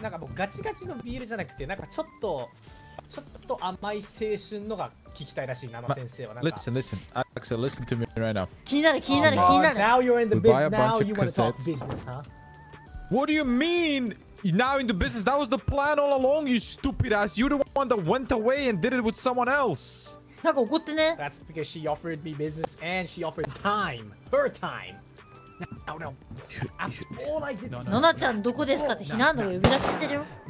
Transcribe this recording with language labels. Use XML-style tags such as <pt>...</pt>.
<ja>なんかもうガチガチの BL じゃなくて、なんかちょっとちょっと甘い青春のが聞きたいらしいな、先生は。</ja> <en>Listen, listen. Axel, listen to me right now.</en> <ja>気になる、気になる、気になる。</ja> <en>Now you're in the business. Now you want to talk business, huh? What do you mean? Now in the business, that was the plan all along, you stupid ass. You're the one that went away and did it with someone else.</en> <ja>なんか怒ってね。</ja> <en>That's because she offered me business and she offered time. Her time. No, no. All I did. No, no.</en> <ja>ナナちゃんどこですかって避難所呼び出ししてるよ。</ja>